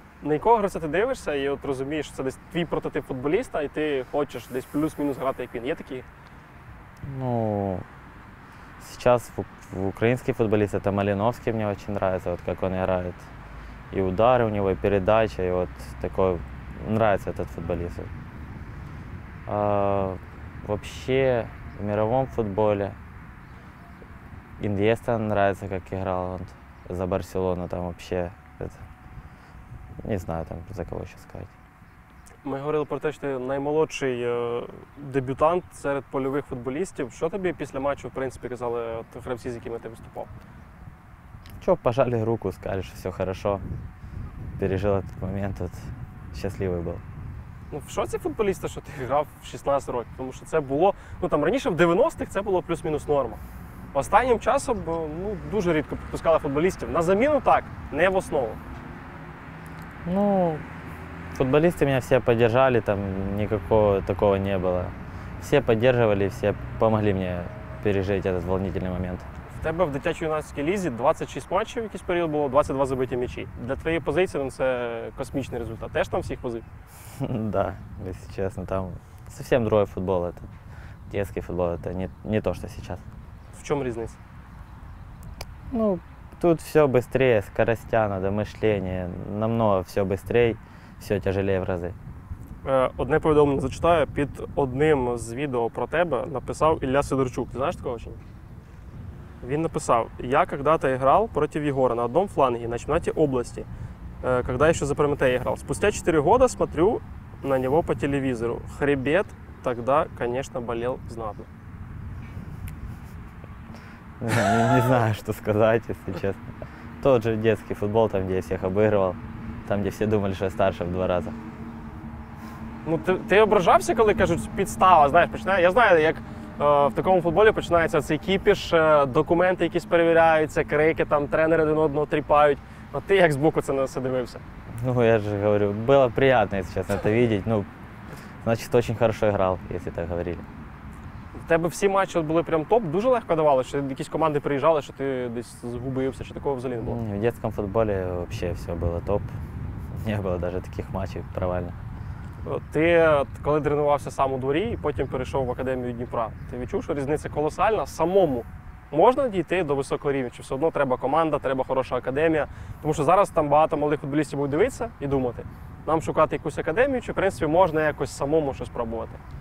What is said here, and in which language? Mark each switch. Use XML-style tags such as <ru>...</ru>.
<uk>На якого гравця ти дивишся і от розумієш, що це десь твій прототип футболіста, і ти хочеш десь плюс-мінус грати, як він. Є такі? Ну, зараз в український футболіст, це Малиновський, мені дуже подобається, от як він грає. І удари у нього, і передача, і от такий, подобається цей футболіст.</uk> <ru>Вообще, в мировом футболе Иньеста нравится, как играл он за Барселону, там вообще, это, не знаю, там, за кого еще сказать.</ru> <uk>Ми говорили про те, що ти наймолодший дебютант серед польових футболістів. Що тобі після матчу, в принципі, казали гравці, з якими ти виступав? Чого,</uk> <ru>пожали руку, сказали,</ru> <uk>що</uk> <ru>все хорошо,</ru> <uk>пережив</uk> <ru>этот момент,</ru> <uk>от, щасливий був. Ну, в шоці футболіста, що ти грав в 16 років, тому що це було, ну, там, раніше в 90-х це було плюс-мінус норма. Останнім часом, ну, дуже рідко підпускали футболістів. На заміну так, не в основу. Ну, футболісти мене всі підтримали, там, нікакого такого не було. Всі підтримували, всі допомогли мені пережити цей волнительний момент. В тебе в дитячо-юнацькій лізі 26 матчів якийсь період було, 22 забиті м'ячі. Для твоєї позиції, ну, це космічний результат. Теж там всіх возив?</uk> <ru>Да, если честно, там совсем другой футбол, это детский футбол, это не то, что сейчас. В чем разница? Ну, тут все быстрее, скоростя надо, мышление, намного все быстрее, все тяжелее в разы.</ru> <uk>Одне повідомлення зачитаю, під одним з відео про тебе написав Ілля Сидорчук, ти знаєш такого чи ні? Він написав,</uk> <ru>я когда-то играл против Егора на одном фланге, на чемпионате області. Когда еще за Прометея играл. Спустя 4 года смотрю на него по телевизору. Хребет тогда, конечно, болел знатно. Не знаю, что сказать, если честно. Тот же детский футбол, там, где я всех обыгрывал. Там, где все думали, что я старше в два раза.</ru> <uk>Ну, ты ображався,</uk> <ru>когда кажут,</ru> <uk>подстава,</uk> <ru>знаешь,</ru> <uk>починає. Я знаю, как в такому футболі починається цей кипіш, документи якісь перевіряються, крики, там, тренери один одного тріпають. А ти як з боку це на це дивився? Ну, я ж говорю, було приємно, якщо чесно, це бачити. Ну, значить, дуже добре грав, якщо так говорили. У тебе всі матчі були прям топ? Дуже легко давали? Чи якісь команди приїжджали, що ти десь згубився? Чи такого взагалі не було? В дитячому футболі взагалі все було топ.</uk> <ru>не было даже таких матчей провальных.</ru> <uk>Ти, коли тренувався сам у дворі і потім перейшов в Академію Дніпра, ти відчув, що різниця колосальна? Самому можна дійти до високого рівня? Чи все одно треба команда, треба хороша академія? Тому що зараз там багато малих футболістів будуть дивитися і думати, нам шукати якусь академію, чи в принципі можна якось самому щось пробувати?</uk>